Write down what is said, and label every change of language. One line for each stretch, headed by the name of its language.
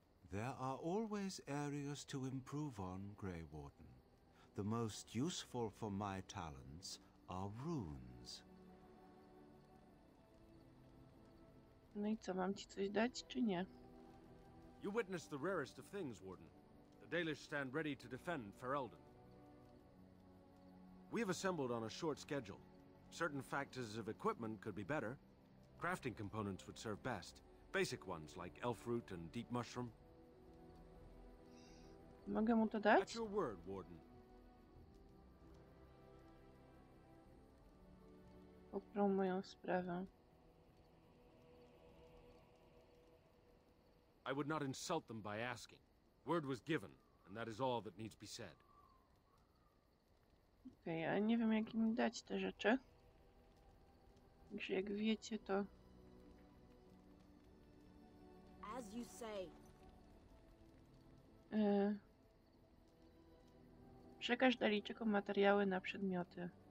English: There are always areas to improve on, Grey Warden. The most useful for my talents are runes.
Polish: No i co, mam ci coś dać, czy nie?
English: You witnessed the rarest of things, Warden. The Dalish stand ready to defend Ferelden. We have assembled on a short schedule. Certain factors of equipment could be better. Crafting components would serve best. Basic ones like elf root and deep mushroom.
Polish: Mogę mu to dać?
English: At your word, Warden.
Polish: Poprom moją sprawę.
English: I would not insult them by asking. Word was given, and that is all that needs be said.
Polish: Okej, okay, ja nie wiem, jak im dać te rzeczy. Także jak wiecie, to...
English: As you say.
Polish: Przekaż Daliczyku materiały na przedmioty.